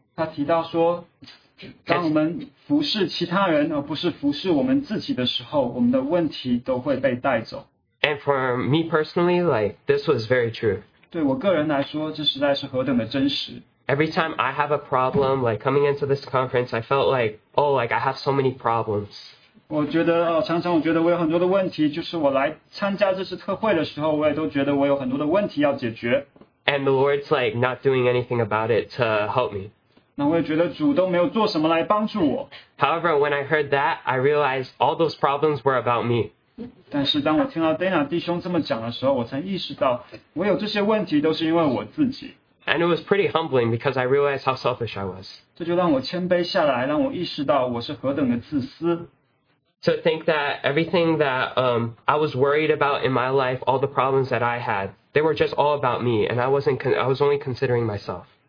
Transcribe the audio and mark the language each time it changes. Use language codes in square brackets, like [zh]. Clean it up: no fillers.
[zh] 他提到说，当我们服侍其他人而不是服侍我们自己的时候，我们的问题都会被带走。 [en] And for me personally, like, this was very true. [zh] 对我个人来说，这实在是何等的真实。 [en] every time I have a problem, like coming into this conference, I felt like, oh, like I have so many problems. [zh] 我觉得常常我觉得我有很多的问题，就是我来参加这次特会的时候，我也都觉得我有很多的问题要解决。 [en] And the Lord's like not doing anything about it to help me. [zh] 那我也觉得主都没有做什么来帮助我。 [en] However, when I heard that, I realized all those problems were about me. [zh] 但是当我听到Dana弟兄这么讲的时候，我才意识到我有这些问题都是因为我自己。 [en] And it was pretty humbling because I realized how selfish I was. [zh] 这就让我谦卑下来，让我意识到我是何等的自私。 [en] To think that everything that I was worried about in my life, all the problems that I had, they were just all about me, and I was only considering myself.